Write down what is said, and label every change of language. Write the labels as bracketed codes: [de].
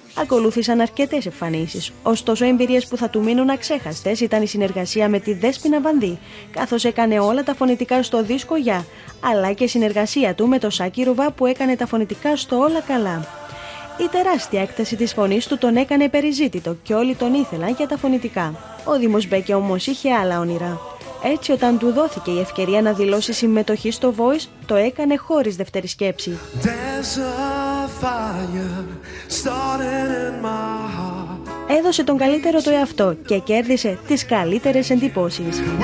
[el] Ακολούθησαν αρκετές εμφανίσεις, ωστόσο εμπειρίες που θα του μείνουν αξέχαστες ήταν η συνεργασία με τη Δέσποινα Βανδύ, καθώς έκανε όλα τα φωνητικά στο δίσκο «Για», αλλά και η συνεργασία του με τον Σάκη Ρουβά που έκανε τα φωνητικά στο «Όλα καλά». Η τεράστια έκταση της φωνής του τον έκανε περιζήτητο και όλοι τον ήθελαν για τα φωνητικά. Ο Δήμος Μπέκε όμως είχε άλλα όνειρα. Έτσι όταν του δόθηκε η ευκαιρία να δηλώσει συμμετοχή στο Voice, το έκανε χωρίς δεύτερη σκέψη. [en] There's a fire starting in my heart. [el] έδωσε τον καλύτερο του εαυτό και κέρδισε τις καλύτερες εντυπώσεις.